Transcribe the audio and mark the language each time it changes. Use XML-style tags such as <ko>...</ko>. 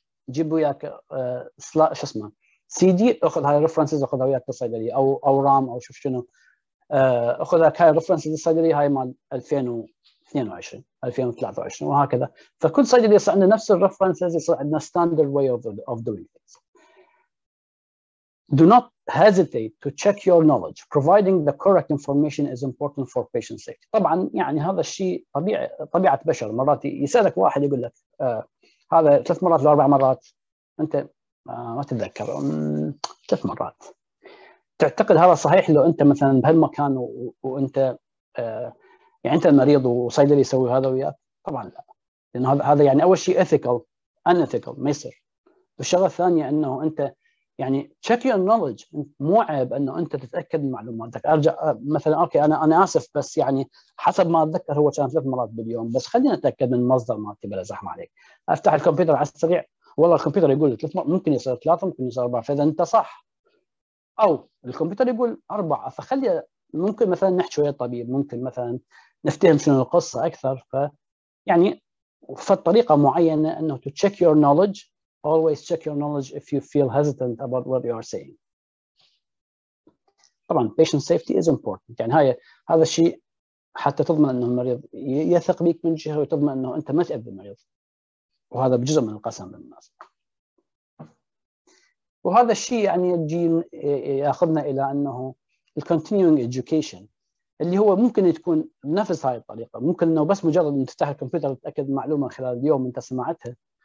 <ar>جيبوا ياك سلا شو اسمه سي دي، اخذ هاي الريفرنسز اخذها وياك للصيدلية او رام او شوف شنو، اخذ هاي الريفرنسز للصيدلية هاي مال 2022 2023 وهكذا. فكل صيدلية يصير عندنا نفس الريفرنسز، يصير عندنا</ar> <en>Standard way of doing things. Do not hesitate to check your knowledge. Providing the correct information is important for patient safety.</en> <ar>طبعا يعني هذا الشيء طبيعة بشر، مرات يسألك واحد يقول لك هذا ثلاث مرات لأربع مرات، أنت ما تتذكر ثلاث مرات، تعتقد هذا صحيح لو أنت مثلا بهالمكان وأنت يعني أنت المريض وصيدلي يسوي هذا وياك؟ طبعا لا، لأن هذا يعني أول شيء</ar> <en>ethical unethical</en> <ar>ما يصير. والشغلة الثانية أنه أنت يعني</ar> <en>check your knowledge،</en> <ar>مو عيب انه انت تتاكد من معلوماتك. ارجع مثلا اوكي انا اسف بس يعني حسب ما اتذكر هو كان ثلاث مرات باليوم، بس خلينا نتاكد من مصدر مالتي بلا زحمه عليك. افتح الكمبيوتر على السريع، والله الكمبيوتر يقول ثلاث مرات، ممكن يصير ثلاث ممكن يصير اربع، فاذا انت صح، او الكمبيوتر يقول اربع، فخلي ممكن مثلا نحكي ويا الطبيب، ممكن مثلا نفتهم شنو القصه اكثر. ف يعني في طريقه معينه انه</ar> <en>to check your knowledge. Always check your knowledge if you feel hesitant about what you are saying.</en> <ar>طبعا</ar> <en>patient safety is important.</en> <ar>يعني هاي هذا الشيء حتى تضمن انه المريض يثق بك من جهه، وتضمن انه انت ما تأذي المريض، وهذا بجزء من القسم للناس. وهذا الشيء يعني الجين ياخذنا الى انه continuing education، اللي هو ممكن تكون بنفس هاي الطريقه، ممكن انه بس مجرد ان تفتح الكمبيوتر تتاكد معلومه خلال اليوم انت سمعتها</ar>